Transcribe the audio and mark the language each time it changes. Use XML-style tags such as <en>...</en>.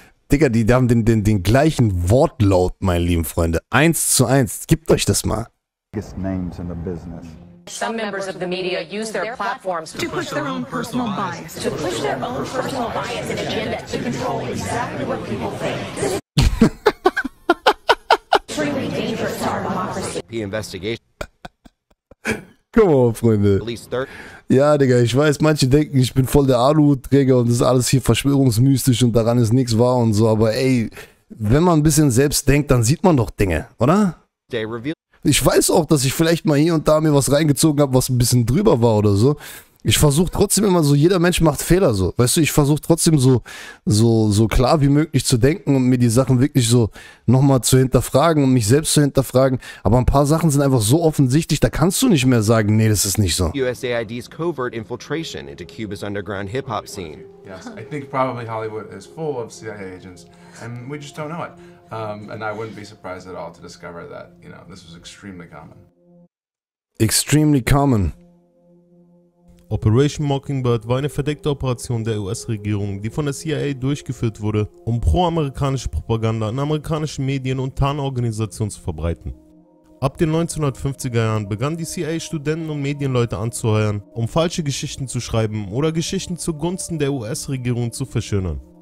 <de>Digga, die haben den gleichen Wortlaut, meine lieben Freunde. Eins zu eins, gebt euch das mal.</de> <en>Names in the business. Some members of the media use their platforms to push their own personal bias. To push their own personal bias and agenda to control exactly what people think. Investigation. Come on, Freunde.</en> <de>Ja, Digga, ich weiß, manche denken, ich bin voll der Aluhutträger und das ist alles hier verschwörungsmystisch und daran ist nichts wahr und so, aber ey, wenn man ein bisschen selbst denkt, dann sieht man doch Dinge, oder? Ich weiß auch, dass ich vielleicht mal hier und da mir was reingezogen habe, was ein bisschen drüber war oder so. Ich versuche trotzdem immer so, jeder Mensch macht Fehler so. Weißt du, ich versuche trotzdem so klar wie möglich zu denken und mir die Sachen wirklich so nochmal zu hinterfragen und mich selbst zu hinterfragen. Aber ein paar Sachen sind einfach so offensichtlich, da kannst du nicht mehr sagen, nee, das ist nicht so.</de> <en>USAID's covert infiltration into Cuba's underground hip-hop scene. Yes, I think probably Hollywood is full of CIA agents and we just don't know it. And I wouldn't be surprised at all to discover that, you know, this was extremely common. Extremely common.</en> <de>Operation Mockingbird war eine verdeckte Operation der US-Regierung, die von der CIA durchgeführt wurde, um pro-amerikanische Propaganda in amerikanischen Medien und Tarnorganisationen zu verbreiten. Ab den 1950er Jahren begann die CIA Studenten und Medienleute anzuheuern, um falsche Geschichten zu schreiben oder Geschichten zugunsten der US-Regierung zu verschönern.</de>